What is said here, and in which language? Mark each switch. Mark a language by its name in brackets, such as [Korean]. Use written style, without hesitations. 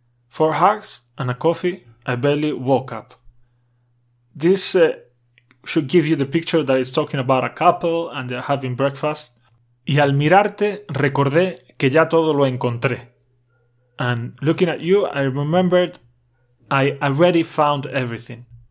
[English] Four hugs and a coffee, I barely woke up. This should give you the picture that it's talking about a couple and they're having breakfast. [Spanish] Y al mirarte, recordé que ya todo lo encontré. [English] And looking at you, I remembered I already found everything.